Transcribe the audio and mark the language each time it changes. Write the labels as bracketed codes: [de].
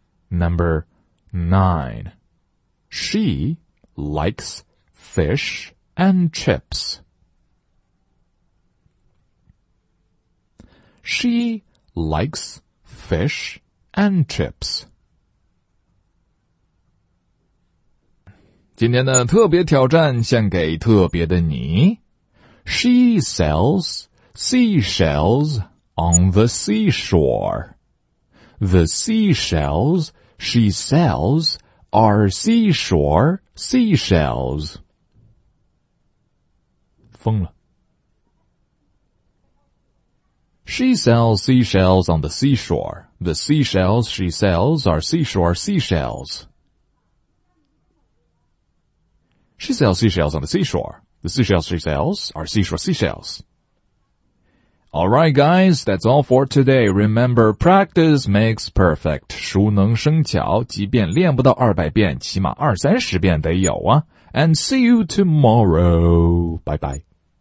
[en] Number nine. She likes fish and chips. She likes fish and chips. [zh] 今天的特别挑战献给特别的你。 [en] She sells seashells on the seashore. The seashells she sells are seashore seashells. [zh] 疯了。 [en] She sells seashells on the seashore. The seashells she sells are seashore seashells. She sells seashells on the seashore. The seashells she sells are seashore seashells. Alright guys, that's all for today. Remember, practice makes perfect. [zh] 熟能生巧，即便练不到200遍，起码二三十遍得有啊。 [en] And see you tomorrow. Bye bye.